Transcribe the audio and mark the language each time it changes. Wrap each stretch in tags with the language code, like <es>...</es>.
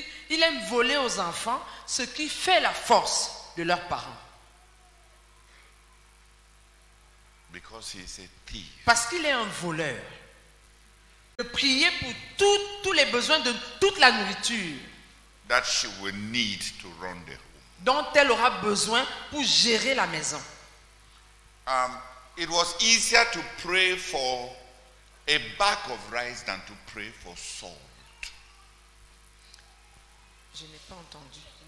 <fr>Il aime voler aux enfants ce qui fait la force de leurs parents.</fr> <en>Because he is a thief.</en> <fr>Parce qu'il est un voleur. De prier pour tous les besoins de toute la nourriture</fr> <en>that she will need to run the home.</en> <fr>Dont elle aura besoin pour gérer la maison.</fr> <en>It was easier to pray for a bag of rice than to pray for Saul.</en> <fr>Je n'ai pas entendu.</fr>